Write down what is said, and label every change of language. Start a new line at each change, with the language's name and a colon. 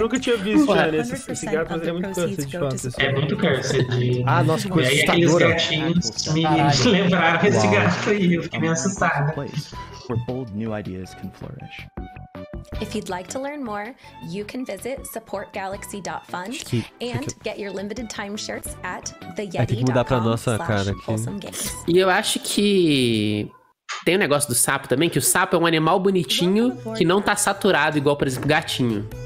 Portuguese: nunca tinha visto, né, esse gato, mas é muito cursed, de fato. É muito cursed. Ah, nossa, que coisa assustadora. E aí aqueles gatinhos me lembraram esse gato aí, eu fiquei meio...
English: Place where bold new ideas can flourish. If you'd like to learn more, you can visit supportgalaxy.fund and get your limited time shirts at theyeti.com/wholesomegames.
Portuguese: E eu acho que tem um negócio do sapo também, que o sapo é um animal bonitinho que não tá saturado igual, por exemplo, gatinho.